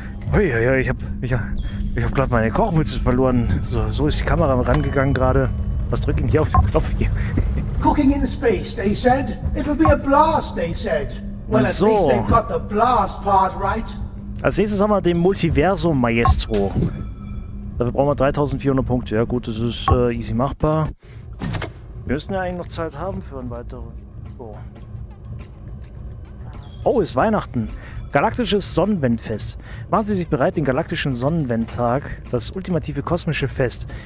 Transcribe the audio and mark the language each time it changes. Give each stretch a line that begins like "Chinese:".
German: Ich hab gerade meine Kochmütze verloren. So ist die Kamera rangegangen gerade. Was drückt denn hier auf den Knopf hier?
English: Cooking in space, they said. It'll be a blast, they said. Well, at so. Least they've got the blast part right.
German: Als nächstes haben wir den Multiversum Maestro. Dafür brauchen wir 3400 Punkte. Ja gut, das ist easy machbar. Wir müssen ja eigentlich noch Zeit haben für einen weiteren. Oh, ist Weihnachten. Galaktisches Sonnenwendfest. Machen Sie sich bereit, den galaktischen Sonnenwendtag, das ultimative kosmische Fest.